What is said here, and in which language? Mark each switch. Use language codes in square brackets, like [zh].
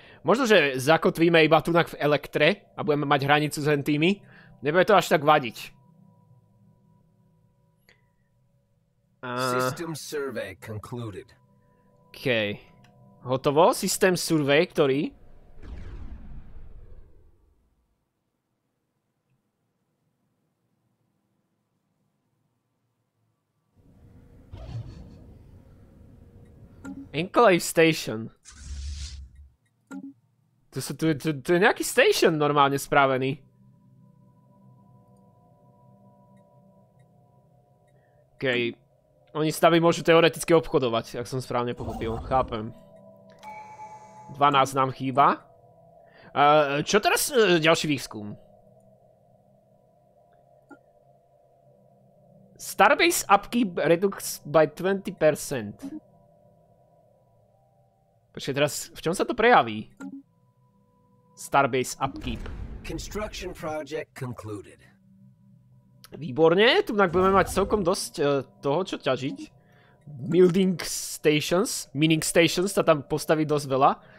[sk] Možno, že zakotvíme iba tunak v elektre a budeme mať hranicu s hentými. Nebude to až tak vadiť. [en] System survey concluded. [sk] Okej. Hotovo? System survey, ktorý? [en] Enclave station. [sk] To je nejaký station normálne spravený. Okej, oni s nami môžu teoreticky obchodovať, ak som správne pochopil, chápem. 12 nám chýba. Čo teraz ďalší výskum? [en] Starbase upkeep reduced by 20%. [sk] Počkej, teraz v čom sa to prejaví? Starbase upkeep. [en] Construction project concluded. [sk] Výborne, tu budeme mať celkom dosť toho, čo ťažiť. Mining stations, sa tam postaví dosť veľa.